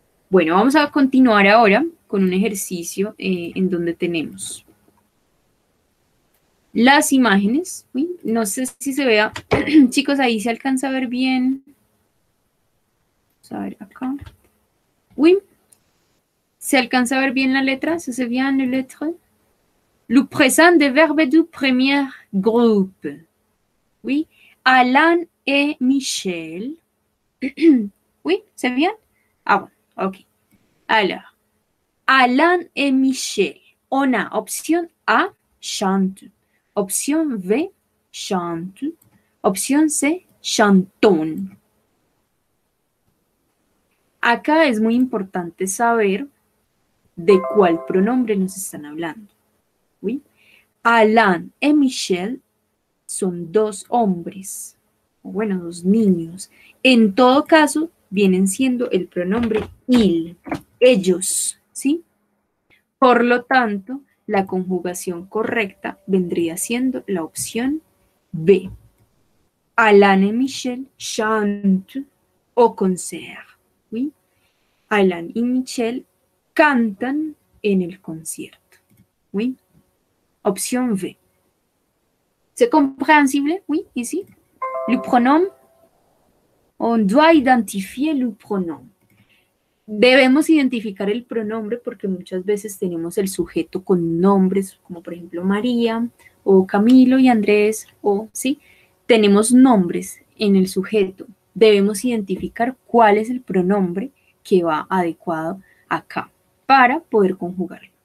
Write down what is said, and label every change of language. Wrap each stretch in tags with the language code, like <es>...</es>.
<es>Bueno, vamos a continuar ahora con un ejercicio en donde tenemos las imágenes, ¿sí? No sé si se vea, chicos, ahí se alcanza a ver bien. Vamos a ver acá. ¿Sí? ¿Se alcanza a ver bien la letra? ¿Se ve bien la letra?</es> <fr>Le présent des verbes du premier groupe. Oui. Alan et Michel. Oui, c'est bien? Ah bon, ok. Alors, Alan et Michel. On a option A, chante. Option B, chante. Option C, chantons.</fr> <es>Acá es muy importante saber de cuál pronombre nos están hablando.</es> <fr>Oui.</fr> <es>Alan y Michel son dos hombres, o bueno, dos niños. En todo caso, vienen siendo el pronombre il, ellos, ¿sí? Por lo tanto, la conjugación correcta vendría siendo la opción B.</es> <fr>Alan et Michel chantent au concert.</fr> <es>Oui. Alan et Michel cantan en el concierto. Oui.</es> <fr>Option V. C'est compréhensible? Oui, ici. Le pronom. On doit identifier le pronom.</fr> <es>Debemos identificar el pronombre porque muchas veces tenemos el sujeto con nombres, como por ejemplo María, o Camilo y Andrés, o sí, tenemos nombres en el sujeto. Debemos identificar cuál es el pronombre que va adecuado acá para poder conjugarlo.</es>